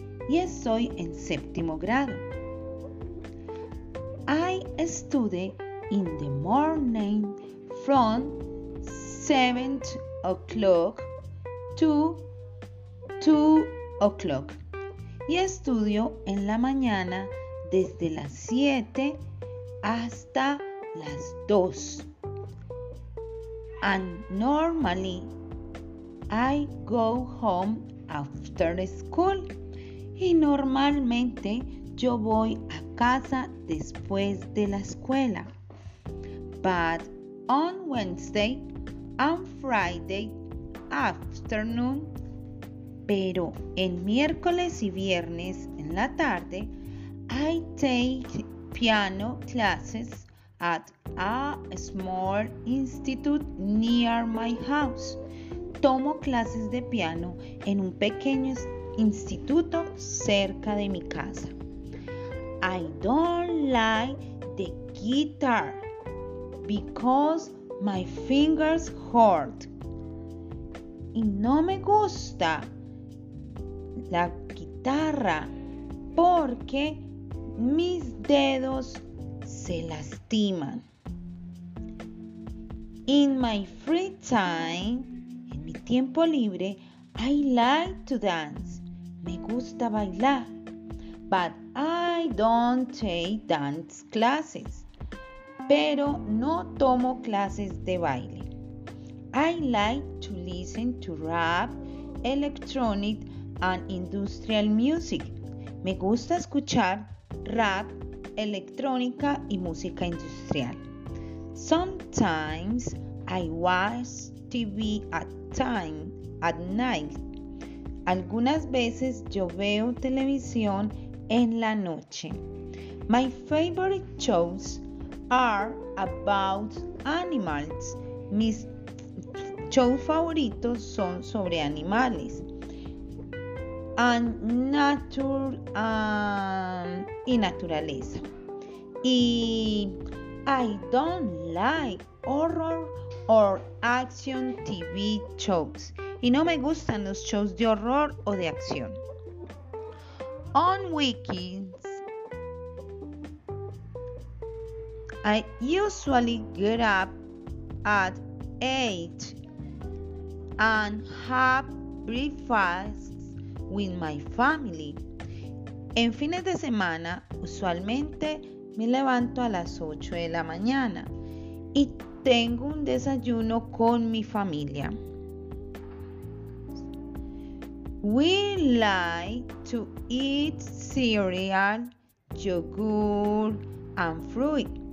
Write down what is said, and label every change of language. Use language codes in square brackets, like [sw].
[es] Y estoy en séptimo grado. [en] I study in the morning from 7 o'clock to 2 o'clock. [es] Y estudio en la mañana desde las 7 hasta las 2. [en] And normally I go home after school. [es] Y normalmente yo voy a casa después de la escuela. [en] But on Wednesday and Friday afternoon, [es] pero en miércoles y viernes en la tarde, [en] I take piano classes at a small institute near my house. [es] Tomo clases de piano en un pequeño instituto cerca de mi casa. [en] I don't like the guitar because my fingers hurt. [es] Y no me gusta la guitarra porque mis dedos se lastiman. [en] In my free time, [es] en mi tiempo libre, [en] I like to dance. [es] Me gusta bailar, [en] but I don't take dance classes. [es] Pero no tomo clases de baile. [en] I like to listen to rap, electronic and industrial music. [es] Me gusta escuchar rap, electrónica y música industrial. [en] Sometimes I watch TV at night. [es] Algunas veces yo veo televisión en la noche. [en] My favorite shows are about animals. [es] Mis shows favoritos son sobre animales. [en] And nature [es] y naturaleza. [en] Y I don't like horror or action TV shows. [es] Y no me gustan los shows de horror o de acción. [en] On weekends, I usually get up at 8 and have breakfast with my family. [es] En fines de semana, usualmente me levanto a las 8 de la mañana y tengo un desayuno con mi familia. [en] We like to eat cereal, yogurt, and fruit.